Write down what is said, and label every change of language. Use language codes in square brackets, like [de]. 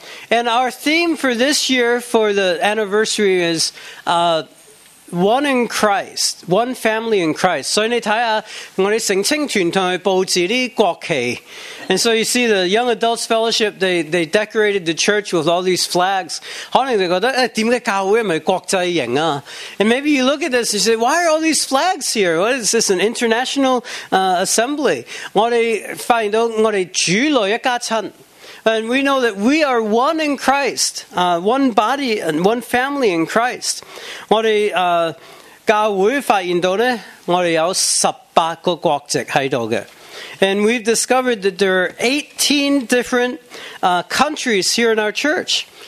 [en] And our theme for this year for the anniversary is one in Christ, one family in Christ. [yue] 所以你睇下我哋成青团同佢布置啲国旗。 [en] And so you see the Young Adults Fellowship, they decorated the church with all these flags. [yue] 可能你觉得点解教会咪国际型啊？ [en] And maybe you look at this and you say, why are all these flags here? What is this, an international assembly? [yue] 我哋发现到我哋主来一家亲。 [en] And we know that we are one in Christ, one body and one family in Christ. [yue] 我哋教会发现到呢，我哋有十八个国籍喺度嘅。 [en] And we've discovered that there are 18 different countries here in our church.